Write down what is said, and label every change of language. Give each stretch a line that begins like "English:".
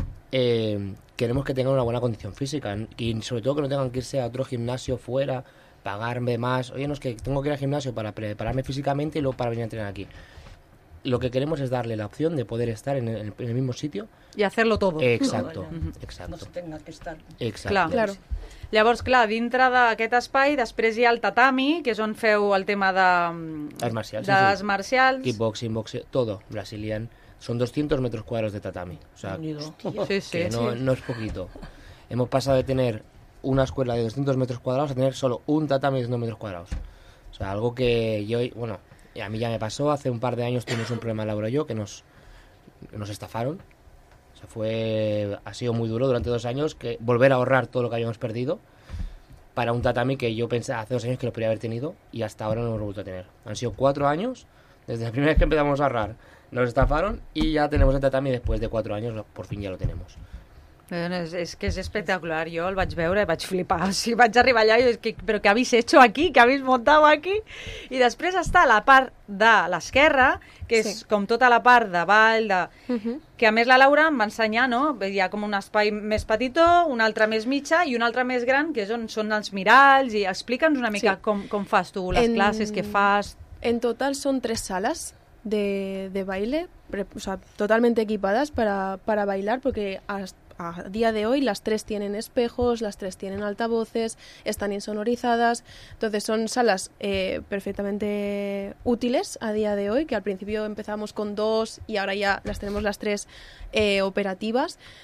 Spanish: Queremos que tengan una buena condición física y sobre todo que no tengan que irse a otro gimnasio fuera, pagarme más... Oye, no, es que tengo que ir al gimnasio para prepararme físicamente y luego para venir a entrenar aquí. Lo que queremos es darle la opción de poder estar en el mismo sitio. Y hacerlo todo. Exacto, exacto. No se tenga que estar. Exacto.
Catalan: Clar.
Spanish: Claro.
Catalan: Llavors, clar, dintre d'aquest espai, després hi ha el tatami, que és on feu el tema de... Arts marcials. De les marcials.
Spanish: Kickboxing, boxing, todo. Brasilian. Son 200 metros cuadrados de tatami. O sea, hostia, que sí, no, sí. No es poquito. Hemos pasado de tener una escuela de 200 metros cuadrados a tener solo un tatami de 200 metros cuadrados. O sea, algo que yo... Bueno... Y a mí ya me pasó, hace un par de años tuvimos un problema, Laura y yo, que nos estafaron. O sea, ha sido muy duro durante 2 años que volver a ahorrar todo lo que habíamos perdido para un tatami que yo pensaba hace 2 años que lo podría haber tenido y hasta ahora no lo he vuelto a tener. Han sido 4 años, desde la primera vez que empezamos a ahorrar, nos estafaron y ya tenemos el tatami después de 4 años, por fin ya lo tenemos.
Catalan: És que és espectacular, jo el vaig veure i vaig flipar, sí, vaig arribar allà i vaig dir,
Spanish: però què habéis hecho aquí, què habéis montado aquí?
Catalan: I després està la part de l'esquerra, que és com tota la part de ball, de... que a més la Laura em va ensenyar, no? Hi ha com un espai més petitó, un altre més mitja i un altre més gran, que és on són els miralls, i explica'ns una mica com fas tu les classes, què fas.
Spanish: En total són 3 sales de baile, o sea, totalmente equipadas para bailar, porque a día de hoy las 3 tienen espejos, las 3 tienen altavoces, están insonorizadas, entonces son salas perfectamente útiles a día de hoy, que al principio empezamos con 2 y ahora ya las tenemos las 3 operativas.